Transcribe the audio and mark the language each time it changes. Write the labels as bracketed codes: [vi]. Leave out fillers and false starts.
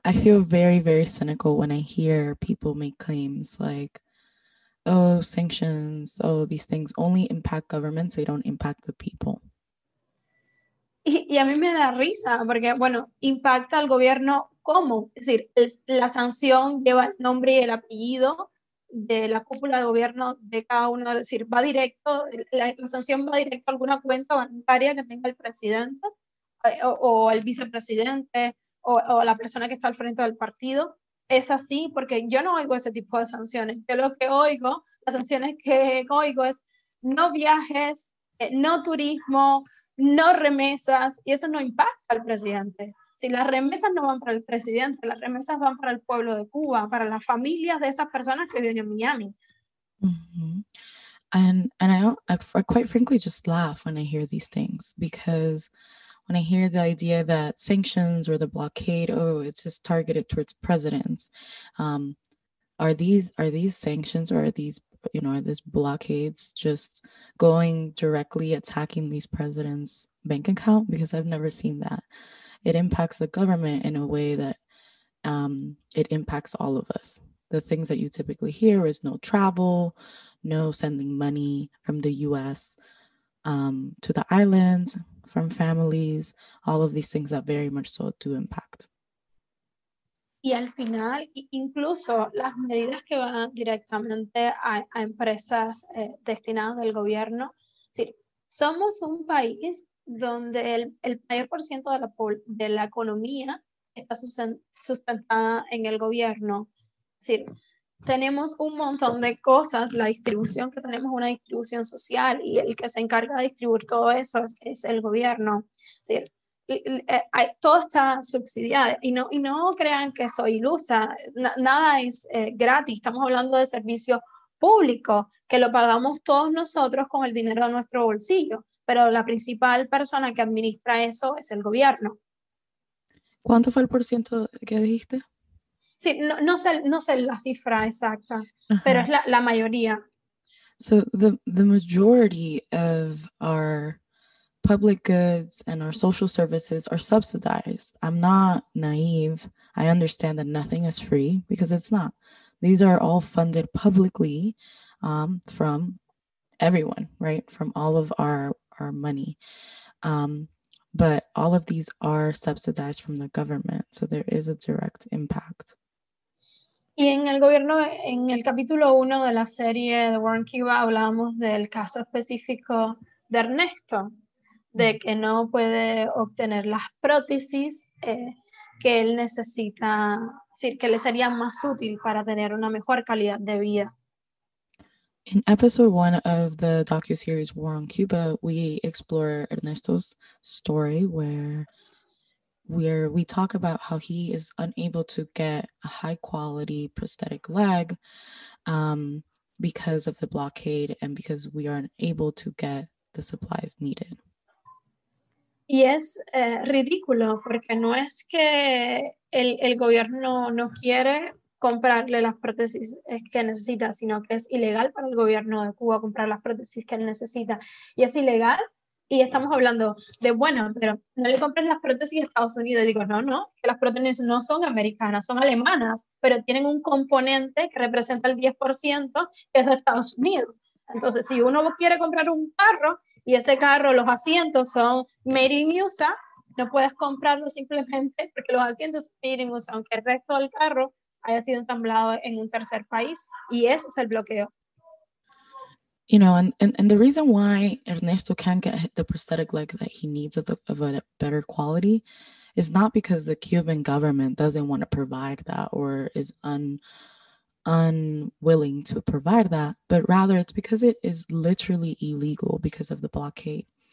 [en] I feel very, very cynical when I hear people make claims like, oh, sanctions, oh, these things only impact governments, they don't impact the people. [es] Y a mí me da risa porque, bueno, impacta al gobierno cómo. Es decir, la sanción lleva el nombre y el apellido de la cúpula de gobierno de cada uno. Es decir, va directo, la sanción va directo a alguna cuenta bancaria que tenga el presidente o el vicepresidente o la persona que está al frente del partido. Es así porque yo no oigo ese tipo de sanciones. Yo lo que oigo, las sanciones que oigo es no viajes, no turismo, no remesas, y eso no impacta al presidente. Si las remesas no van para el presidente, las remesas van para el pueblo de Cuba, para las familias de esas personas que viven en Miami. [en] And I quite frankly just laugh when I hear these things, because when I hear the idea that sanctions or the blockade, oh, it's just targeted towards presidents. Are these sanctions or are these, you know, are these blockades just going directly attacking these presidents' bank account? Because I've never seen that. It impacts the government in a way that it impacts all of us. The things that you typically hear is no travel, no sending money from the U.S. To the islands, from families, all of these things that very much so do impact. [es] Y al final, incluso las medidas que van directamente a empresas destinadas del gobierno, sí, somos un país donde el mayor porcentaje de la economía está sustentada en el gobierno. Sí, tenemos un montón de cosas, la distribución que tenemos, una distribución social, y el que se encarga de distribuir todo eso es el gobierno. Sí, todo está subsidiado, y no crean que soy ilusa, nada es gratis. Estamos hablando de servicio público que lo pagamos todos nosotros con el dinero de nuestro bolsillo, pero la principal persona que administra eso es el gobierno. ¿Cuánto fue el porciento que dijiste? Sí, no sé la cifra exacta, pero es la mayoría. [en] So the majority of our public goods and our social services are subsidized. I'm not naive. I understand that nothing is free, because it's not. These are all funded publicly from everyone, right? From all of our money. But all of these are subsidized from the government. So there is a direct impact. [es] Y en el gobierno, en el capítulo 1 de la serie de Warren Cuba, hablamos del caso específico de Ernesto, de que no puede obtener las prótesis que él necesita, decir, que le serían más útil para tener una mejor calidad de vida. [en] In episode 1 of the docuseries War on Cuba, we explore Ernesto's story where we talk about how he is unable to get a high quality prosthetic leg because of the blockade and because we aren't able to get the supplies needed. [es] Y es ridículo, porque no es que el gobierno no quiere comprarle las prótesis que necesita, sino que es ilegal para el gobierno de Cuba comprar las prótesis que él necesita. Y es ilegal, y estamos hablando de, bueno, pero no le compres las prótesis a Estados Unidos. Y digo, no, que las prótesis no son americanas, son alemanas, pero tienen un componente que representa el 10%, que es de Estados Unidos. Entonces, si uno quiere comprar un carro, y ese carro, los asientos son [en] made in USA, [es] no puedes comprarlo simplemente porque los asientos son made in USA, aunque el resto del carro haya sido ensamblado en un tercer país, y ese es el bloqueo. [en] You know, and the reason why Ernesto can't get the prosthetic leg that he needs of a better quality is not because the Cuban government doesn't want to provide that or is unwilling to provide that, but rather it's because it is literally illegal because of the blockade.